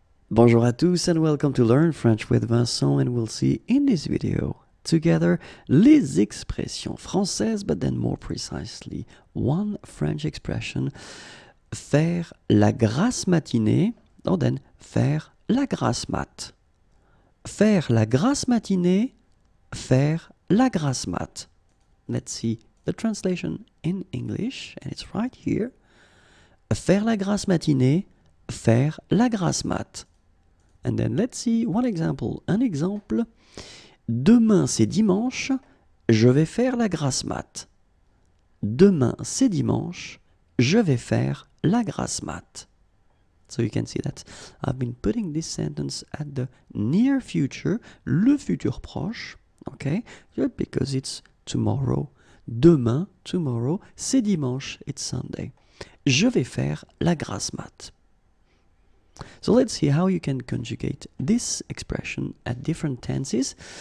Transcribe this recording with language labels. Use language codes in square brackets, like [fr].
[fr] Bonjour à tous [en] and welcome to Learn French with Vincent and we'll see in this video together [fr] les expressions françaises [en] but then more precisely one French expression [fr] faire la grasse matinée [en] and then [fr] faire la grasse mat. Faire la grasse matinée, faire la grasse mat. [en] Let's see the translation in English and it's right here. [fr] Faire la grasse matinée, faire la grasse mat. [en] And then let's see one example. [fr] Un exemple. Demain c'est dimanche, je vais faire la grasse mat. Demain c'est dimanche, je vais faire la grasse mat. [en] So you can see that I've been putting this sentence at the near future, [fr] le futur proche, [en] okay? Because it's tomorrow. Demain, tomorrow, [fr] c'est dimanche, [en] it's Sunday. [fr] Je vais faire la grasse mat. [en] So let's see how you can conjugate this expression at different tenses.